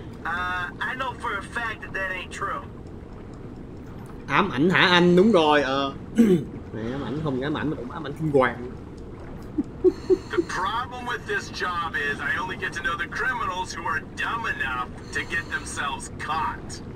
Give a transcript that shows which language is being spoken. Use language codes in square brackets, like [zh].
[en] I know for a fact that that ain't true. [vi] Ám ảnh hả anh? Đúng rồi, Mẹ ám ảnh không ám ảnh mà cũng ám ảnh kinh hoàng. [en] The problem with this job is I only get to know the criminals who are dumb enough to get themselves caught.